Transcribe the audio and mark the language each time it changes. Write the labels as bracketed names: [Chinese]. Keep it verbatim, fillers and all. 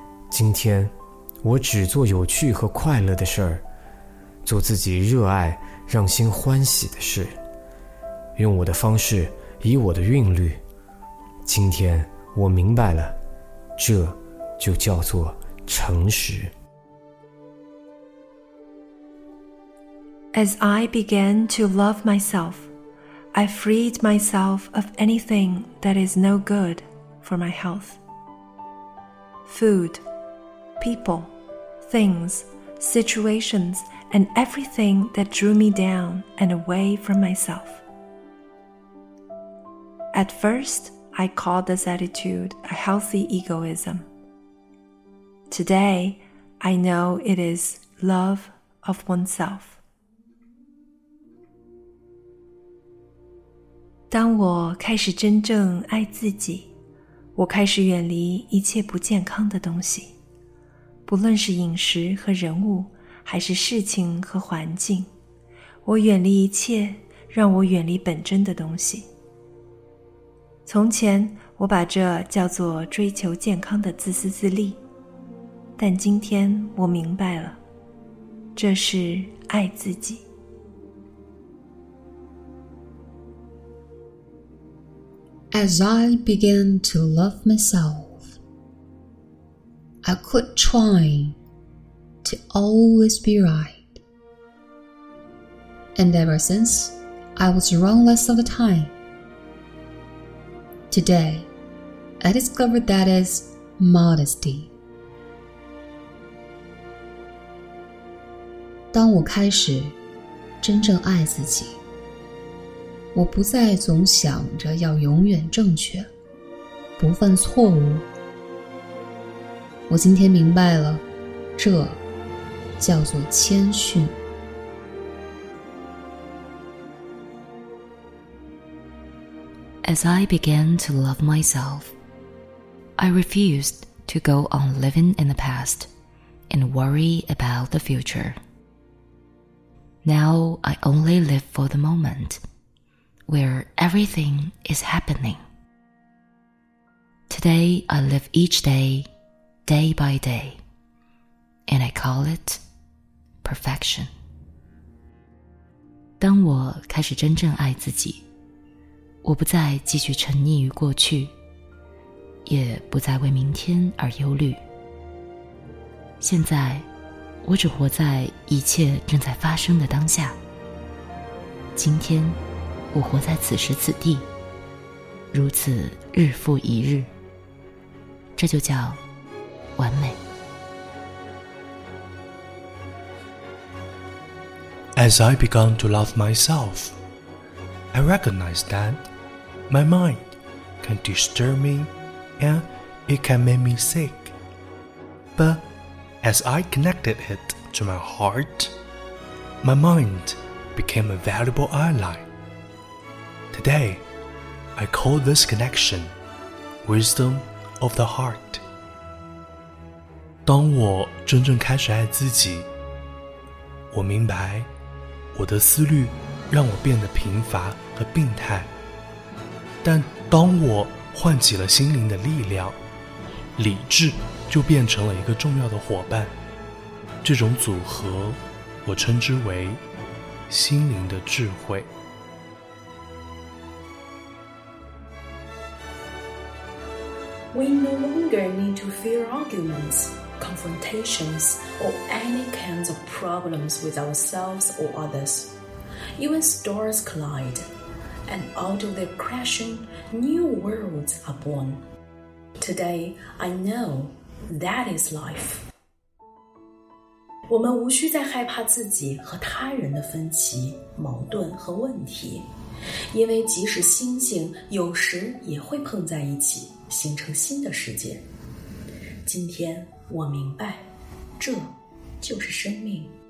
[Chinese] 今天，我只做有趣和快乐的事儿，做自己热爱、让心欢喜的事，用我的方式，以我的韵律。今天，我明白了，这就叫做诚实。 [English] As I began to love myself, I freed myself of anything that is no good for my health. Food, people, things, situations, and everything that drew me down and away from myself. At first, I called this attitude a healthy egoism. Today, I know it is love of oneself. [Chinese] 当我开始真正爱自己，我开始远离一切不健康的东西，不论是饮食和人物，还是事情和环境，我远离一切让我远离本真的东西。从前我把这叫做追求健康的自私自利，但今天我明白了，这是爱自己。 [English] As I began to love myself, I quit trying to always be right. And ever since, I was wrong less of the time. Today, I discovered that is modesty. [Chinese] 当我开始真正爱自己，我不再总想着要永远正确，不犯错误。我今天明白了，这叫做谦逊。 [English] As I began to love myself, I refused to go on living in the past and worry about the future. Now I only live for the moment. Where everything is happening. Today I live each day, day by day, and I call it perfection. [Chinese] 当我开始真正爱自己，我不再继续沉溺于过去，也不再为明天而忧虑。现在，我只活在一切正在发生的当下。今天我活在此时此地，如此日复一日，这就叫完美。 [English] As I began to love myself, I recognized that my mind can disturb me and it can make me sick. But as I connected it to my heart, my mind became a valuable ally. Today, I call this connection Wisdom of the Heart. [Chinese] 当我真正开始爱自己，我明白我的思虑让我变得贫乏和病态，但当我唤起了心灵的力量，理智就变成了一个重要的伙伴。这种组合我称之为心灵的智慧。 [English] We no longer need to fear arguments, confrontations, or any kinds of problems with ourselves or others. Even stars collide, and out of their crashing, new worlds are born. Today, I know that is life. [Chinese] 我们无需再害怕自己和他人的分歧、矛盾和问题，因为即使星星有时也会碰在一起。形成新的世界。今天我明白，这就是生命。